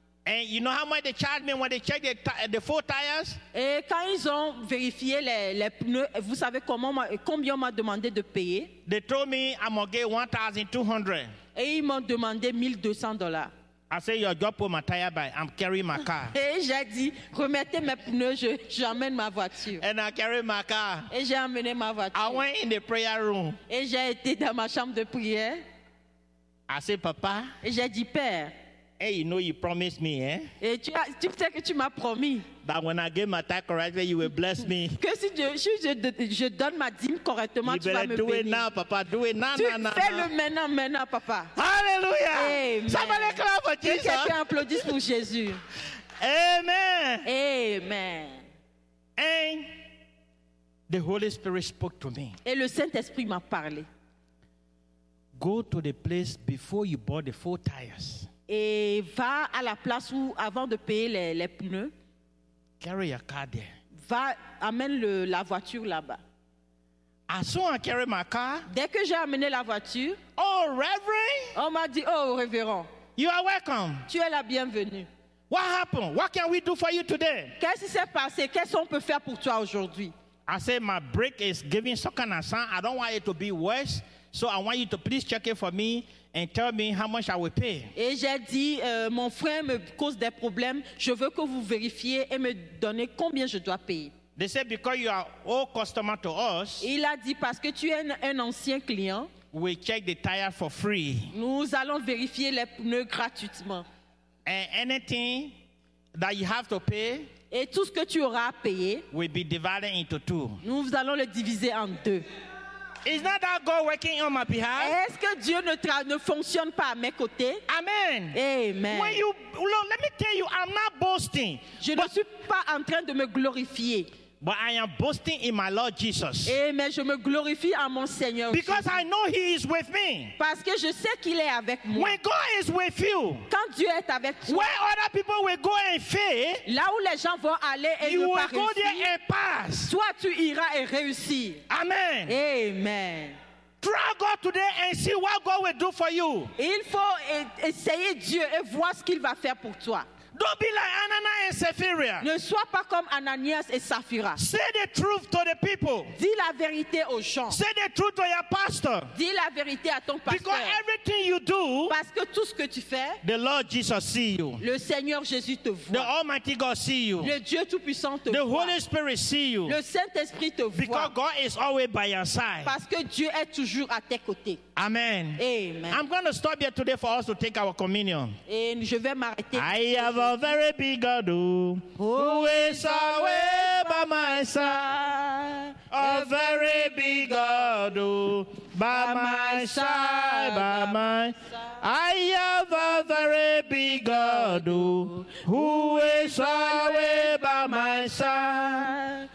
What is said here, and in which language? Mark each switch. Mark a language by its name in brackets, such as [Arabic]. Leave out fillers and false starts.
[English] And you know how much they charged me when they checked the four tires? [French] Et quand ils ont vérifié les pneus, vous savez combien m'a demandé de payer? [English] They told me I'm gonna get $1,200. [French] Et ils m'ont demandé $1,200. [English] I said, your job for my tire buy. I'm carrying my car. [French] Et j'ai dit, remettez mes pneus, j'emmène ma voiture. [English] And I carry my car. [French] Et j'ai emmené ma voiture. [English] I went in the prayer room. [French] Et j'ai été dans ma chambre de prière. [English] I said, papa. [French] Et j'ai dit, père. [English] Hey, you know you promised me, eh? [French] Et tu sais que tu m'as promis. [English] That when I get my tithe correctly, you will bless me. [French] Que si je donne ma dîme correctement, [English] you [French] tu vas me bénir. [English] You better do it now, papa. Do it now, [French] Fais-le maintenant, papa. Hallelujah. Amen. [English] Somebody clap for Jesus. [French] Que quelqu'un applaudisse pour Jésus. Amen. Amen. [English] And the Holy Spirit spoke to me. [French] Et le Saint-Esprit m'a parlé. [English] Go to the place before you bought the four tires. [French] Et va à la place où, avant de payer les pneus, [English] carry your car there. [French] Va, amène la voiture là-bas. [English] As soon as I carry my car, [French] dès que j'ai amené la voiture, [English] oh, Reverend, [French] on m'a dit, oh, révérend, [English] you are welcome. [French] Tu es la bienvenue. [English] What happened? What can we do for you today? [French] Qu'est-ce qui s'est passé? Qu'est-ce qu'on peut faire pour toi aujourd'hui? [English] I said, my brake is giving some kind of sound. I don't want it to be worse. So I want you to please check it for me and tell me how much I will pay. [French] Et j'ai dit, mon frère me cause des problèmes. Je veux que vous vérifiez et me donnez combien je dois payer. [English] They said, because you are old customer to us. [French] Il a dit, parce que tu es un ancien client. [English] We check the tire for free. [French] Nous allons vérifier les pneus gratuitement. [English] And anything that you have to pay. [French] Et tout ce que tu auras à payer. [English] Will be divided into two. [French] Nous allons le diviser en deux. [English] Is not that God working on my behalf? [French] Est-ce que Dieu ne fonctionne pas à mes côtés? Amen. Amen. [English] When you Lord, let me tell you, I'm not boasting. [French] Je ne suis pas en train de me glorifier. [English] But I am boasting in my Lord Jesus. [French] Amen. Je me glorifie en mon Seigneur. [English] Because [French] Jésus. [English] I know He is with me. [French] Parce que je sais qu'il est avec moi. [English] When God is with you, [French] quand Dieu est avec toi, [English] where other people will go and fail, [French] là où les gens vont aller et [English] you [French] ne [English] will [French] pas [English] go [French] réussir, [English] there and pass. [French] Soit tu iras et réussis. Amen. Amen. [English] Try God today and see what God will do for you. [French] Il faut essayer Dieu et voir ce qu'il va faire pour toi. [English] Don't be like Ananias and Sapphira. [French] Ne sois pas comme Ananias et Sapphira. [English] Say the truth to the people. [French] Dis la vérité aux gens. [English] Say the truth to your pastor. [French] Dis la vérité à ton pasteur. [English] Because everything you do, [French] parce que tout ce que tu fais, [English] the Lord Jesus see you. [French] Le Seigneur Jésus te voit. [English] The Almighty God see you. [French] Le Dieu Tout-Puissant te [English] the [French] voit. [English] The Holy Spirit see you. [French] Le Saint-Esprit te [English] because [French] voit. [English] Because God is always by your side. [French] Parce que Dieu est toujours à tes côtés. Amen. Amen. [English] I'm going to stop here today for us to take our communion. [French] Et je vais m'arrêter. [English] I have a very big God who is always by my side. A very big God who by my side, by my side. I have a very big God who is always by my side.